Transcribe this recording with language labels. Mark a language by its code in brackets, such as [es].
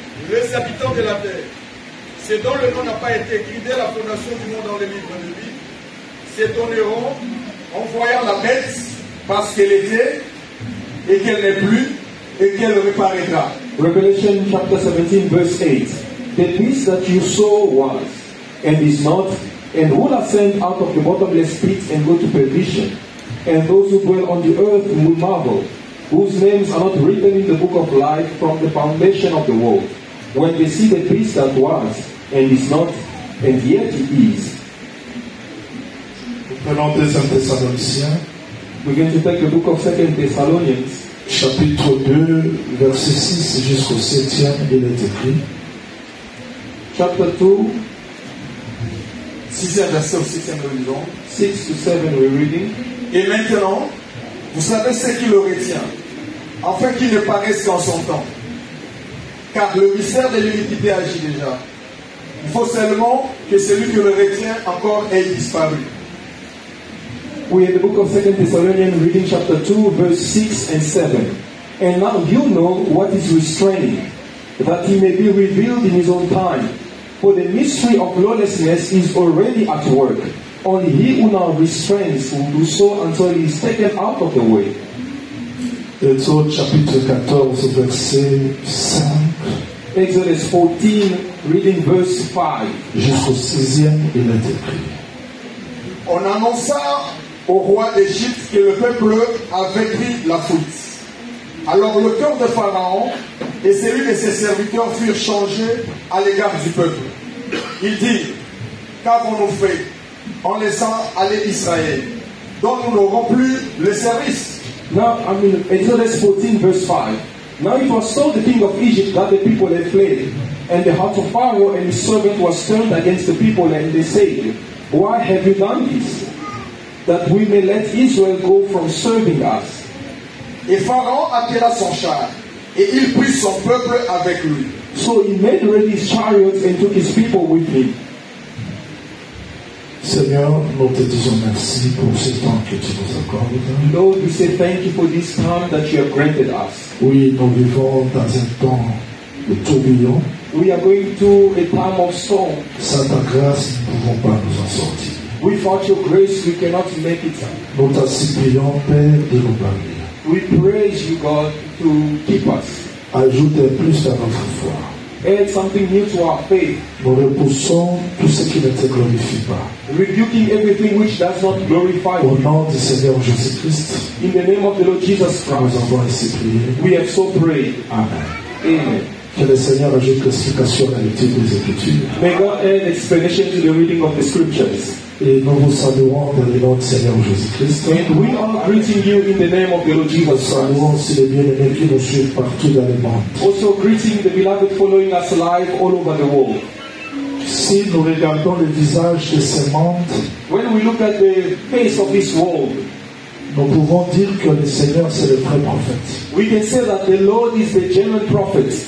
[fr] Les habitants de la terre, ce dont le nom n'a pas été écrit dès la fondation du monde dans les livres de vie, s'étonneront en voyant la bête parce qu'elle était et qu'elle n'est plus et qu'elle reparaîtra. [en] Revelation chapter 17, verse 8. The beast that you saw was and is not, and will ascend out of the bottomless pit and go to perdition. And those who dwell on the earth will marvel, whose names are not written in the book of life from the foundation of the world. When they see the priest that was and is not, and yet he is. We're going to take the book of 2 Thessalonians. [fr] Chapitre 2, verset 6 jusqu'au 7e, il est écrit. [en] Chapter 2, [fr] 6e verset au 6e, nous lisons. [en] 6 to 7, we're reading. [fr] Et maintenant, vous savez ce qui le retient, afin qu'il ne paraisse qu'en son temps. Car le mystère de l'iniquité agit déjà. Il faut seulement que celui qui le retient encore ait disparu. [en] We are in the book of 2 Thessalonians, reading chapter 2, verse 6 and 7. And now you know what is restraining, that he may be revealed in his own time. For the mystery of lawlessness is already at work. Only he who now restrains will do so until he is taken out of the way. Exodus chapter 14, verse 5. Exodus 14, reading verse 5. [fr] Jusqu'au 6e, il est écrit. On annonça au roi d'Égypte que le peuple avait pris la fuite. Alors le cœur de Pharaon et celui de ses serviteurs furent changés à l'égard du peuple. Il dit, qu'avons-nous fait en laissant aller Israël, dont nous n'aurons plus le service? [en] Now, I mean, Exodus 14, verse 5. Now it was told the king of Egypt that the people had fled, and the heart of Pharaoh and his servant was turned against the people, and they said, why have you done this? That we may let Israel go from serving us. [fr] Et Pharaon appela son char, et il prit son peuple avec lui. [en] So he made ready his chariots and took his people with him. [fr] Seigneur, nous te disons merci pour ce temps que tu nous accordes. [en] Lord, we say thank you for this time that you have granted us. [fr] Oui, nous vivons dans un temps de tourbillon. [en] We are going to a time of storm. [fr] Sans ta grâce, nous ne pouvons pas nous en sortir. [en] Without your grace, we cannot make it. [fr] Nous te supplions, Père, de nous parler. [en] We praise you, God, to keep us. [fr] Ajoute plus à notre foi. [en] Add something new to our faith. [fr] Nous repoussons tout ce qui ne te glorifie pas. [en] Rebuking everything which does not glorify [fr] you. Au nom du Seigneur Jésus Christ. [en] In the name of the Lord Jesus Christ. [fr] Nous avons ainsi prié. [en] We have so prayed. [fr] Amen. [en] Amen. [fr] Que le Seigneur ajoute classification à l'étude des Écritures. [en] May God add explanation to the reading of the Scriptures. [fr] Et nous vous saluons dans le nom du Seigneur Jésus Christ. [en] And we are greeting you in the name of the Lord Jesus. [fr] Nous saluons aussi les bien-aimés qui nous suivent partout dans le monde. [en] Also greeting the beloved following us live all over the world. [fr] Si nous regardons le visage de ce monde, [en] when we look at the face of this world, [fr] nous pouvons dire que le Seigneur c'est le vrai prophète. [en] We can say that the Lord is the genuine prophet.